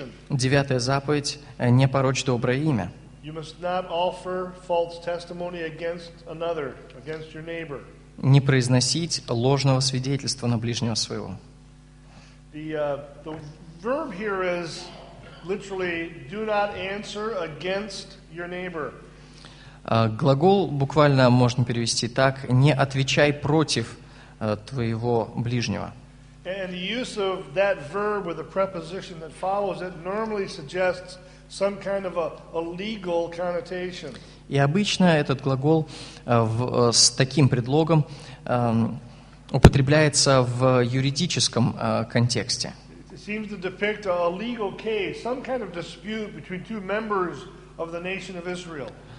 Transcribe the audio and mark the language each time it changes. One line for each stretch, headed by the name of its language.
Russian: Девятая заповедь – не порочь доброе имя.
English: You must not offer false testimony against another, against your neighbor.
Russian: Не произносить ложного свидетельства на ближнего своего.
English: The verb here is literally do not answer against your neighbor.
Russian: Глагол буквально можно перевести так: не отвечай против твоего ближнего.
English: And the use of that verb with the preposition that follows it normally suggests some kind of a legal connotation.
Russian: И обычно этот глагол с таким предлогом употребляется в юридическом контексте.
English: It seems to depict a legal case, some kind of dispute between two members of the nation of Israel.